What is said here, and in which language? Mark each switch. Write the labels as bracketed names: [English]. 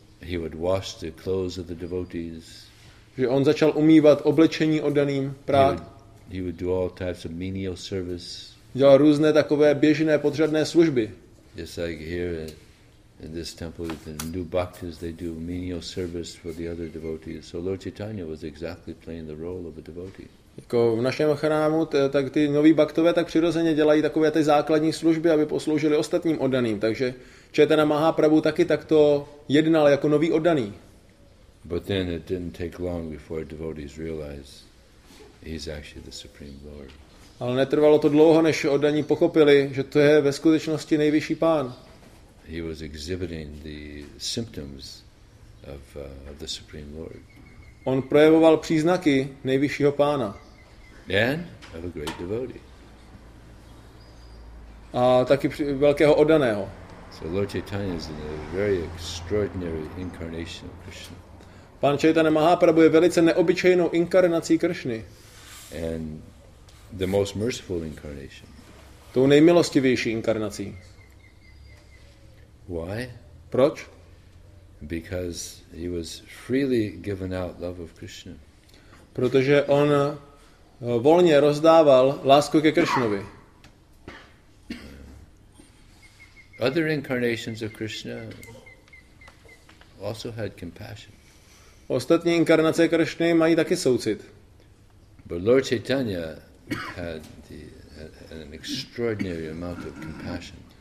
[English] He would wash the clothes of the devotees. [Czech] Že on začal umývat oblečení oddaným prát. [English] He would do all types of menial service. [Czech] Dělal různé takové běžné podřadné služby. [English] Just like here in this temple, the new bhaktas, they do menial service for the other devotees. So Lord Chaitanya was exactly playing the role of a devotee. [Czech] Jako v našem chrámu, tak ty noví bhaktové tak přirozeně dělají takové ty základní služby, aby posloužili ostatním oddaným. Takže Chaitanya Mahaprabhu taky takto jednal jako nový oddaný. [English] But then it didn't take long before devotees realized he's actually the supreme lord. [Czech] Ale netrvalo to dlouho, než oddaní pochopili, že to je ve skutečnosti nejvyšší pán. [English] He was exhibiting the symptoms of the supreme lord. [Czech] On projevoval příznaky nejvyššího pána. [English] And of a great devotee. [Czech] A taky velkého oddaného. [English] So Lord Chaitanya is a very extraordinary incarnation of Krishna. [Czech] Pán Chaitanya Mahaprabhu je velice neobyčejnou inkarnací Kršny. [English] And the most merciful incarnation. [Czech] Tou nejmilostivější inkarnací. [English] Why? [Czech] Proč? [English] Because he was freely given out love of Krishna. [Czech] Protože on volně rozdával lásku ke Kršnovi. [English] Other incarnations of Krishna also had compassion. [Czech] Ostatní inkarnace Krishny mají taky soucit. [English] But Lord Chaitanya had an extraordinary amount of compassion.